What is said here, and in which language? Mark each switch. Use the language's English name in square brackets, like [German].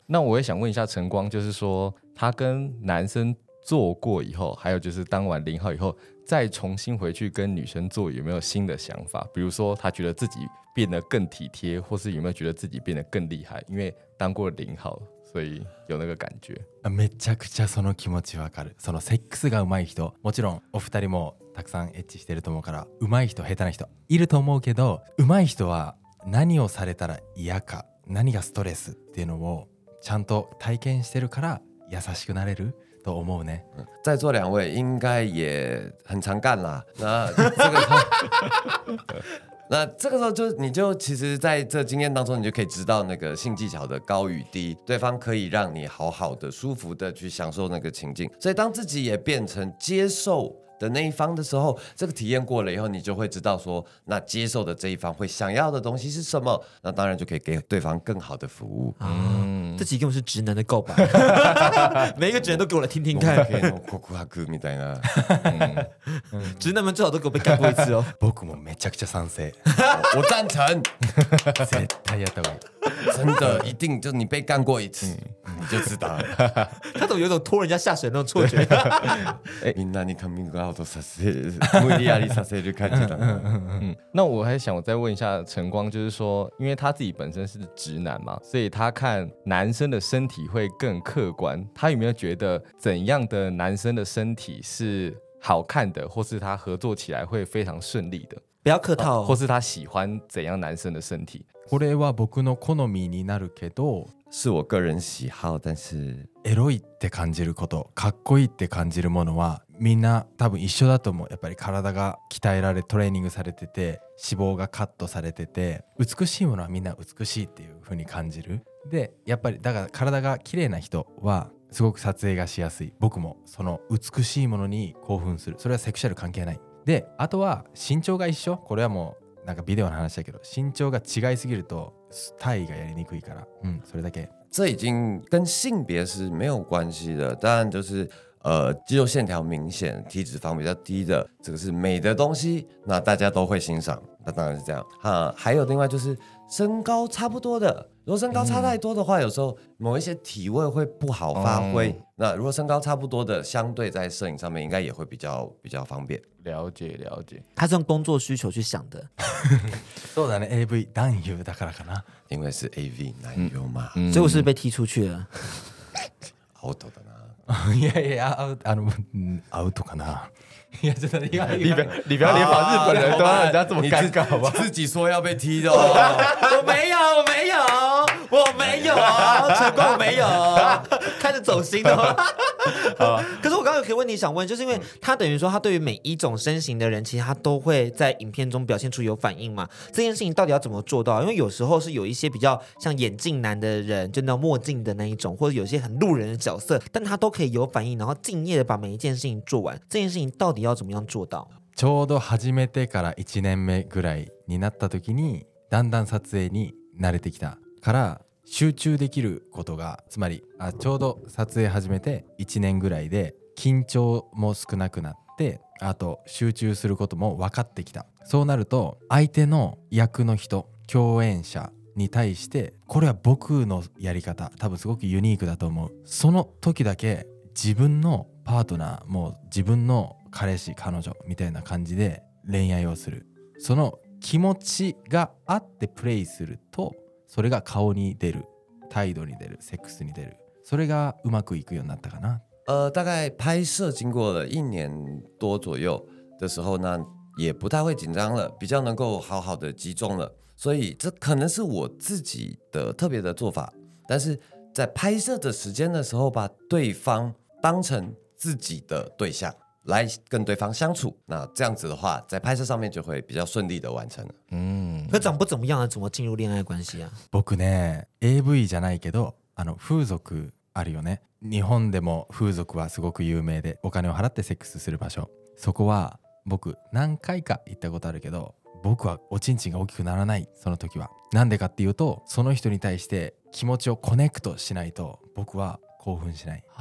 [Chinese] 那我也想问一下晨光，就是说他跟男生做过以后，还有就是当完零号以后，再重新回去跟女生做，有没有新的想法？比如说他觉得自己变得更体贴，或是有没有觉得自己变得更厉害？因为当过零号，所以有那个感觉。 [Japanese] めちゃくちゃその気持ちわかる。そのセックスが上手い人、もちろんお二人もたくさんエッチしてると思うから、上手い人、下手な人いると思うけど、上手い人は何をされたら嫌か、何がストレスっていうのをちゃんと体験してるから優しくなれる。都思うね。 [Chinese] 在座两位应该也很常干啦。那这个时候，那这个时候就你就其实在这经验当中，你就可以知道那个性技巧的高与低，对方可以让你好好的、舒服的去享受那个情境。所以当自己也变成接受的那一方的时候，这个体验过了以后，你就会知道说，那接受的这一方会想要的东西是什么，那当然就可以给对方更好的服务。这几个是直男的告白，每一个直男都给我来听听看。 [Japanese] 告白みたいな。 [Chinese] 直男们最好都给我被干过一次哦。 [Japanese] 僕もめちゃくちゃ賛成。 [Chinese] 我赞成。 [Japanese] 絶対やったわ。 [Chinese] 真的，一定就你被干过一次，你就知道了。他怎么有种拖人家下水那种错觉？ [Japanese] みんなにカミングアウトさせる、無理やりさせる感じだ。 [Chinese] 那我还想，我再问一下晨光，就是说，因为他自己本身是直男嘛，所以他看男生的身体会更客观。他有没有觉得怎样的男生的身体是好看的，或是他合作起来会非常顺利的？不要客套、或是他喜欢怎样男生的身体？ [Japanese] これは僕の好みになるけど、 [Chinese] 是我个人喜好、但是 [Japanese] エロいって感じること、かっこいいって感じるものはみんな多分一緒だと思う。やっぱり体が鍛えられ、トレーニングされてて、脂肪がカットされてて、美しいものはみんな美しいっていう風に感じる。で、やっぱりだから体が綺麗な人はすごく撮影がしやすい。僕もその美しいものに興奮する。それはセクシャル関係ない。で、あとは身長が一緒、これはもうなんかビデオの話だけど、身長が違いすぎると体位がやりにくいから、それだけ。 [Chinese] 这已经跟性别是没有关系的。当然就是肌肉线条明显、体脂肪比较低的，这个是美的东西，那大家都会欣赏。那当然是这样。还有另外就是身高差不多的，如果身高差太多的话、嗯、有时候某一些体位会不好发挥、嗯、那如果身高差不多的相对在摄影上面应该也会比较方便。了解了解，他是用工作需求去想的。 [Japanese] そうだね AV 男優だからかな， [Chinese] 因为是 AV 男優嘛、嗯、所以我是被踢出去了。 [Japanese] アウトだな。いやいや、アウト、あの、アウトかな。 [Chinese] いや、真的你看你看你不要連把日本人都讓人家這麼尷尬好不好，自己說要被踢的。我沒有，我沒有，我沒有，成功我沒有，開始走心了。可是我刚刚有个问题想问，就是因为他等于说他对于每一种身形的人其实他都会在影片中表现出有反应嘛，这件事情到底要怎么做到？因为有时候是有一些比较像眼镜男的人，就那墨镜的那一种，或者有些很路人的角色，但他都可以有反应，然后敬业的把每一件事情做完，这件事情到底要怎么样做到？ [Japanese] ちょうど始めてから1年目ぐらいになった時にだんだん撮影に慣れてきたから集中できることが、つまりあちょうど撮影始めて1年ぐらいで緊張も少なくなって、あと集中することも分かってきた。そうなると相手の役の人、共演者に対してこれは僕のやり方、多分すごくユニークだと思う。その時だけ自分のパートナー、もう自分の彼氏彼女みたいな感じで恋愛をする、その気持ちがあってプレイすると、それが顔に出る、態度に出る、セックスに出る、それがうまくいくようになったかな。 [Chinese] 大概拍摄经过了一年多左右的时候呢，也不太会紧张了，比较能够好好的集中了。所以这可能是我自己的特别的做法，但是在拍摄的时间的时候，把对方当成自己的对象来跟对方相处，那这样子的话，在拍摄上面就会比较顺利的完成了。嗯。可长不怎么样啊，怎么进入恋爱关系啊？ [Japanese] 僕ね、AV じゃないけど、あの風俗あるよね。日本でも風俗はすごく有名で、お金を払ってセックスする場所。そこは僕何回か行ったことあるけど、僕はおちんちんが大きくならない。その時は。なんでかっていうと、その人に対して気持ちをコネクトしないと、僕は興奮しない。